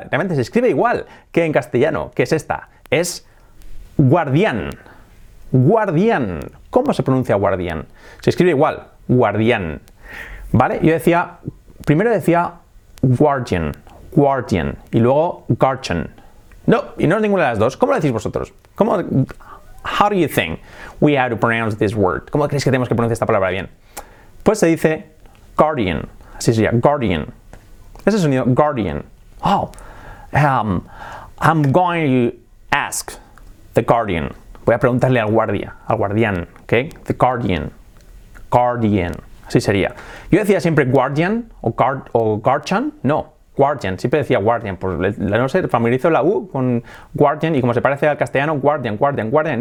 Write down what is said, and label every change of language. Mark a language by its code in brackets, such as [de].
[es] Realmente se escribe igual que en castellano, que es esta. Es guardián. Guardián. ¿Cómo se pronuncia guardián? Se escribe igual. Guardián. ¿Vale? Yo decía... Primero decía... Guardian, guardian, y luego guardian. No, y no es ninguna de las dos. ¿Cómo lo decís vosotros? [en] ¿Cómo, how do you think we have to pronounce this word? [es] ¿Cómo creéis que tenemos que pronunciar esta palabra bien? Pues se dice guardian, así sería, guardian. Ese sonido, guardian. [en] Oh, I'm going to ask the guardian. [es] Voy a preguntarle al guardia, al guardián, ¿ok? The guardian, guardian. Sí sería. Yo decía siempre guardian o guard o guardian. No, guardian. Siempre decía guardian. Por la no sé, familiarizo la U con guardian y como se parece al castellano, guardian, guardian, guardian.